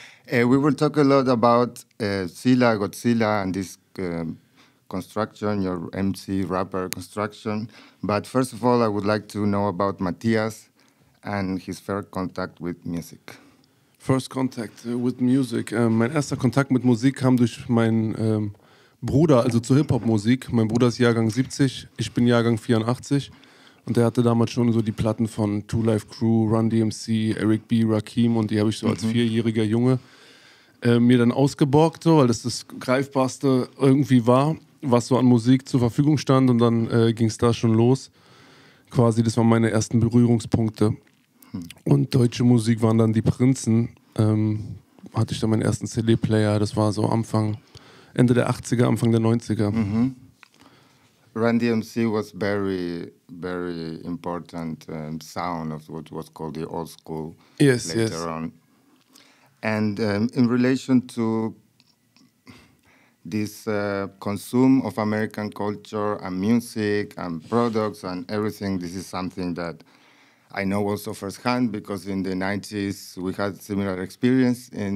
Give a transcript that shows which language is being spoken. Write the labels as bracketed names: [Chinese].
[English] We will talk a lot about Silla, Godzilla, and this construction, your MC rapper construction. But first of all, I would like to know about Matthias and his first contact with music. First contact with music. [German] Mein erster Kontakt mit Musik kam durch meinen Bruder, also zur Hip-Hop-Musik. Mein Bruder ist Jahrgang 70, ich bin Jahrgang 84. Und der hatte damals schon so die Platten von Two Life Crew, Run DMC, Eric B., Rakim. Und die habe ich so als vierjähriger Junge mir dann ausgeborgt, so, weil das das Greifbarste irgendwie war, was so an Musik zur Verfügung stand. Und dann ging es da schon los. Quasi, das waren meine ersten Berührungspunkte. Und deutsche Musik waren dann die Prinzen. Hatte ich dann meinen ersten CD-Player. Das war so Anfang, Ende der 80er, Anfang der 90er. Mm-hmm. [English] Run DMC was very, very important sound of what was called the old school. Yes, later yes. On. And in relation to this consume of American culture and music and products and everything, this is something that I know also firsthand, because in the 90s we had similar experience.